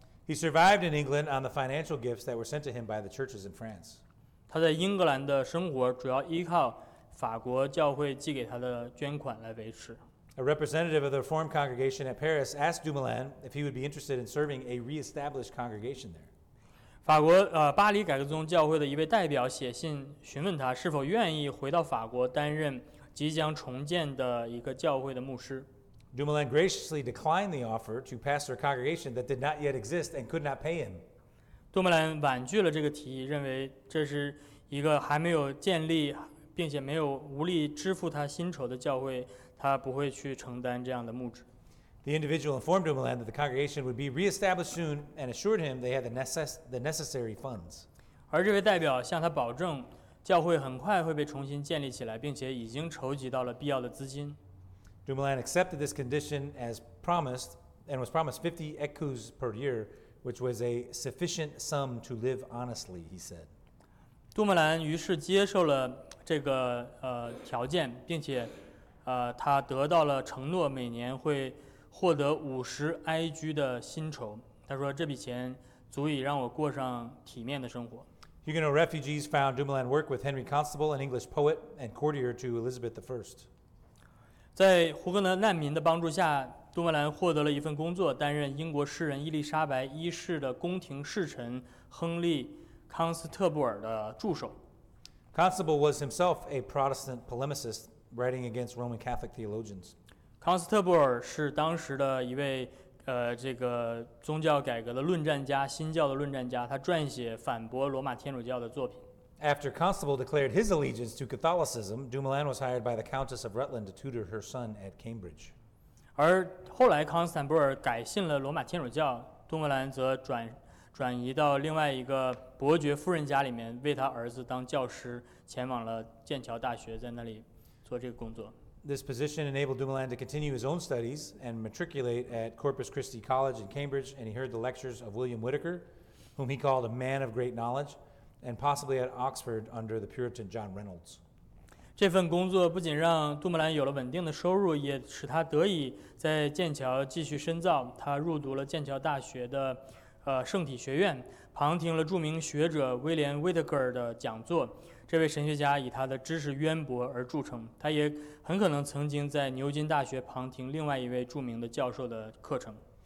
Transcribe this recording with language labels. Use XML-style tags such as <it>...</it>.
<en>He survived in England on the financial gifts that were sent to him by the churches in France.</en> <zh>他在英格兰的生活主要依靠法国教会寄给他的捐款来维持。</zh> <en>A representative of the Reformed congregation at Paris asked Dumoulin if he would be interested in serving a re-established congregation there.</en> <zh>法国巴黎改革宗教会的一位代表写信询问他是否愿意回到法国担任即将重建的一个教会的牧师。</zh> <en>Dumoulin graciously declined the offer to pastor a congregation that did not yet exist and could not pay him.</en> <zh>杜莫兰婉拒了这个提议，认为这是一个还没有建立并且没有无力支付他薪酬的教会，他不会去承担这样的牧职。</zh> <en>The individual informed Dumoulin that the congregation would be re-established soon and assured him they had the necessary funds.</en> <zh>而这位代表向他保证，教会很快会被重新建立起来，并且已经筹集到了必要的资金。</zh> <en>Dumoulin accepted this condition as promised and was promised 50 écus per year, which was a sufficient sum to live honestly, he said.</en> <zh>杜莫兰于是接受了这个条件，并且他得到了承诺，每年会获得五十埃居的薪酬。他说这笔钱足以让我过上体面的生活。</zh> <en>Huguenot refugees found Dumoulin work with Henry Constable, an English poet and courtier to Elizabeth I.</en> <zh>在胡格南难民的帮助下，杜莫兰获得了一份工作，担任英国诗人伊丽莎白一世的宫廷侍臣亨利·康斯特布尔的助手。</zh> <en>Constable was himself a Protestant polemicist, writing against Roman Catholic theologians.</en> <zh>康斯特布尔是当时的一位这个宗教改革的论战家，新教的论战家，他撰写反驳罗马天主教的作品。</zh> <en>After Constable declared his allegiance to Catholicism, Dumoulin was hired by the Countess of Rutland to tutor her son at Cambridge.</en> <zh>而后来康斯坦布尔改信了罗马天主教，杜莫兰则 转移到另外一个伯爵夫人家里面，为他儿子当教师，前往了剑桥大学，在那里做这个工作。</zh> <en>This position enabled Dumoulin to continue his own studies and matriculate at Corpus Christi College in Cambridge, and he heard the lectures of William Whittaker, whom he called a man of great knowledge, and possibly at Oxford under the Puritan John Reynolds.</en> <zh>这份工作不仅让杜莫兰有了稳定的收入，也使他得以在剑桥继续深造。他入读了剑桥大学的圣体学院，旁听了著名学者威廉·威特格尔的讲座。这位神学家以他的知识渊博而著称，他也很可能曾经在牛津大学旁听另外一位著名的教授的课程。</zh>